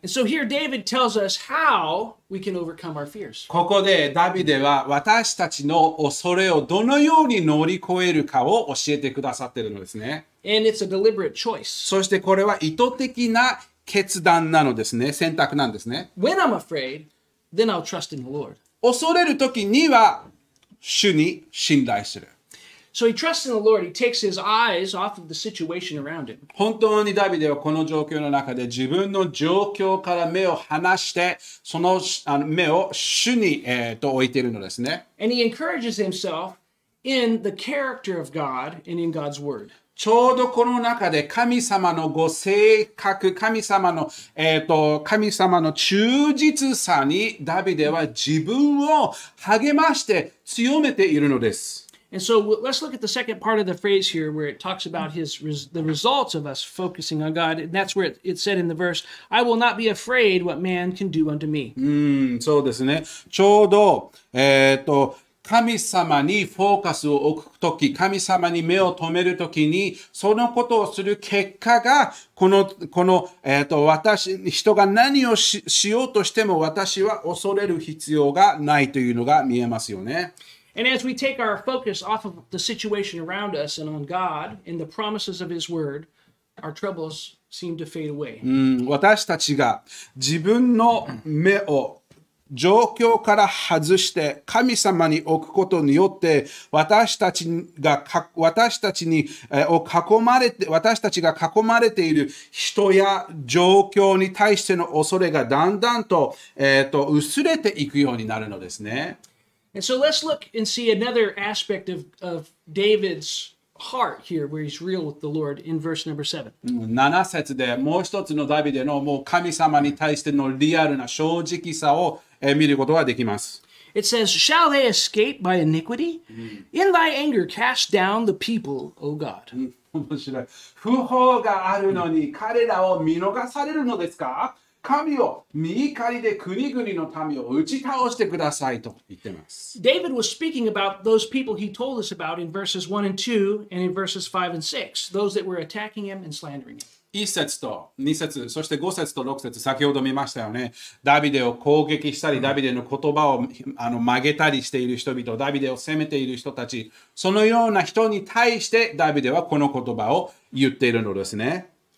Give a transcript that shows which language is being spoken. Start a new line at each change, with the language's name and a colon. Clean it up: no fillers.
English: So here David tells us how we can overcome our fears.
Japanese: ここでダビデは私たちの恐れをどのように乗り越えるかを教えてくださっているのですね。
English: And it's a deliberate choice.
Japanese: そしてこれは意図的な決断なのですね。選択なんですね。
English: When I'm afraid, then I'll trust in the Lord.
Japanese: 恐れるときには主に信頼する。
English: So he trusts in the Lord. He takes his eyes off of the situation around him.
Japanese: 本当にダビデはこの状況の中で自分の状況から目を離して、その目を主に置いているのですね。
English: And he encourages himself in the character of God and in God's word.
Japanese: ちょうどこの中で神様のご性格、神様の、神様の忠実さにダビデは自分を励まして強めているのです。
English: And so let's look at the second part of the phrase here where it talks about the results of us focusing on God. And that's where it said in the verse, I will not be afraid what man can do unto me.
Japanese: そうですね。ちょうど、神様にフォーカスを置くとき、神様に目を留めるときに、そのことをする結果が、この、私、人が何を しようとしても、私は恐れる必要がないというのが見えますよね。
English: And as we take our focus off of the situation around us and on God and the promises of His Word, our troubles seem to fade away.
Japanese: 私たちが自分の目を状況から外して神様に置くことによって私たちが囲まれている人や状況に対しての恐れがだんだんと、薄れていくようになるのですね。
English: And so let's look and see another aspect of David's heart here where he's real with the Lord in verse number 7.
Japanese: 7節でもう一つのダビデのもう神様に対してのリアルな正直さを見ることができます。
English: It says, Shall they escape by iniquity? In thy anger cast down the people, O God.
Japanese: 面白い。不法があるのに彼らを見逃されるのですか? 神を御怒りで国々の民を打ち倒してくださいと言ってます。
English: David was speaking about those people he told us about in verses 1 and 2 and in verses 5 and 6, those that were attacking him and slandering him.
Japanese: 1節と2節、そして5節と6節、先ほど見ましたよね。ダビデを攻撃したり、ダビデの言葉を曲げたりしている人々、ダビデを責めている人たち、そのような人に対してダビデはこの言葉を言っているのですね。